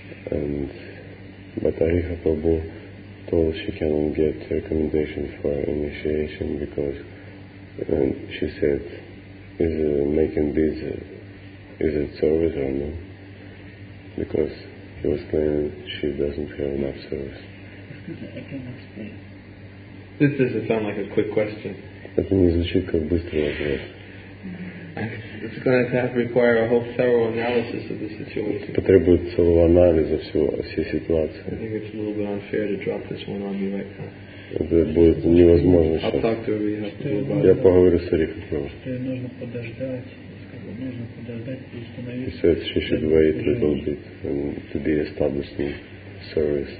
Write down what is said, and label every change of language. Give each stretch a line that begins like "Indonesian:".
English: And but Ariha Prabhu told she cannot get recommendation for initiation, because and she said, is making beads, is it service or no? Because he was claiming she doesn't have enough service. This doesn't sound like a quick question.
Russian: Это не звучит как быстрый вопрос.
English: It's going to have to require a whole thorough analysis of the situation.
Russian: Потребует целого анализа всей ситуации.
English: I think it's a little bit unfair to drop this one on you right now.
Russian: Это будет невозможно.
English: I'll
Russian: сейчас.
English: Talk to her, yeah.
Russian: Я поговорю с Арихой. Нужно подождать.
English: He said she should wait a little bit and to be established in service.